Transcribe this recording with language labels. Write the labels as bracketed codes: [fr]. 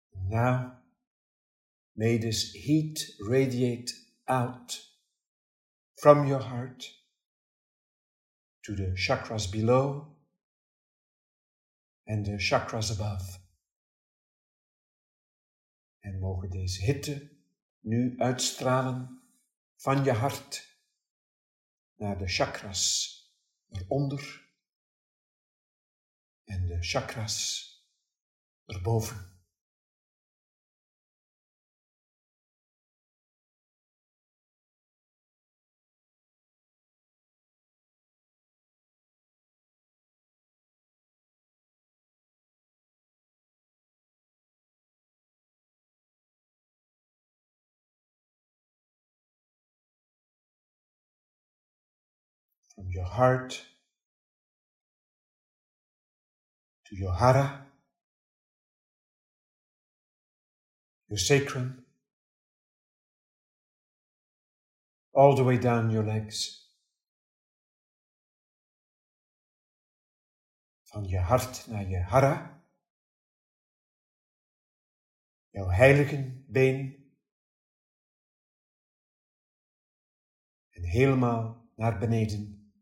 [en] Now, may this heat radiate out from your heart to the chakras below and the chakras above. [nl] En mogen deze hitte nu uitstralen van je hart naar de chakras eronder en de chakras erboven. [en] From your heart to your hara, your sacrum, all the way down your legs. [nl] Van je hart naar je hara, jouw heilige been, en helemaal naar beneden.